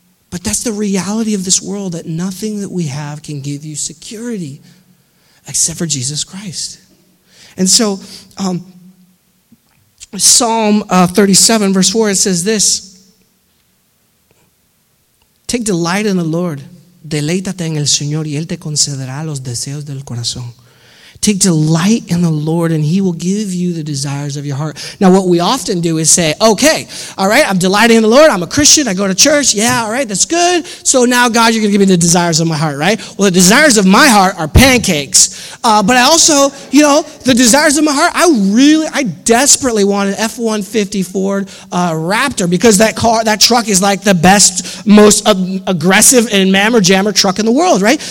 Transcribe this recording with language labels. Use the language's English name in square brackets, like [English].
[English] But that's the reality of this world, that nothing that we have can give you security except for Jesus Christ. And so Psalm 37, verse 4, it says this. Take delight in the Lord. [Spanish] Deleítate en el Señor y Él te concederá los deseos del corazón. [English] Take delight in the Lord and He will give you the desires of your heart. Now, what we often do is say, okay, all right, I'm delighting in the Lord. I'm a Christian. I go to church. Yeah, all right, that's good. So now, God, you're going to give me the desires of my heart, right? Well, the desires of my heart are pancakes. But I also, you know, the desires of my heart, I desperately want an F-150 Ford Raptor because that car, that truck is like the best, most aggressive and mammer jammer truck in the world, right?